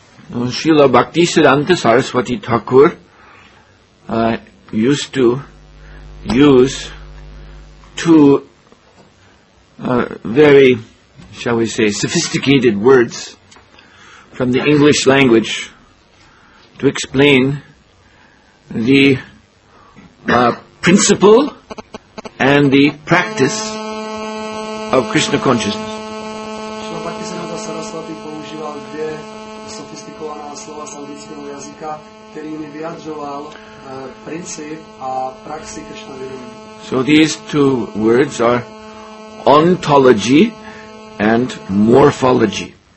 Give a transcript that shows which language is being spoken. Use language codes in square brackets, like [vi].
[en] Srila Bhakti Siddhanta Saraswati Thakur used to use two very, shall we say, sophisticated words from the English language to explain the principle and the practice of Krishna consciousness. [cs] Srila Bhakti Siddhanta Saraswati používal dvě sofistikovaná slova z anglického jazyka, kterými vyjadřoval princip a praxi Krishna vědomí. [en] So these two words are ontology and morphology.